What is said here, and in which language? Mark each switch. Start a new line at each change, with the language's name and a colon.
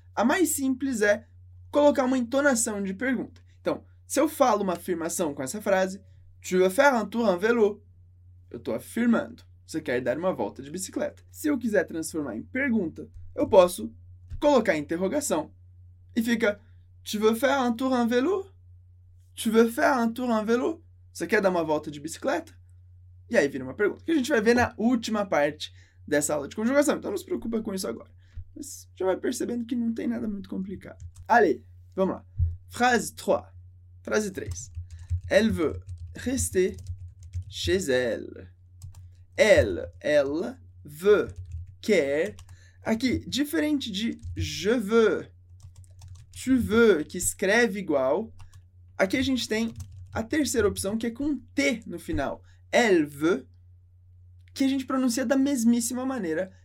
Portuguese: A mais simples é colocar uma entonação de pergunta. Então, se eu falo uma afirmação com essa frase,
French: tu veux faire un tour en vélo?
Portuguese: Eu estou afirmando. Você quer dar uma volta de bicicleta. Se eu quiser transformar em pergunta, eu posso colocar interrogação.
French: E fica, tu veux faire un tour en vélo? Tu veux faire un tour en vélo?
Portuguese: Você quer dar uma volta de bicicleta? E aí vira uma pergunta, que a gente vai ver na última parte dessa aula de conjugação. Então, não se preocupa com isso agora. Mas já vai percebendo que não tem nada muito complicado.
French: Allez,
Portuguese: vamos lá.
French: Phrase 3. Phrase 3. Elle veut rester chez elle. Elle veut, quer.
Portuguese: Aqui, diferente de
French: je veux, tu veux,
Portuguese: que escreve igual, aqui a gente tem a terceira opção, que é com T no final.
French: Elle veut,
Portuguese: que a gente pronuncia da mesmíssima maneira.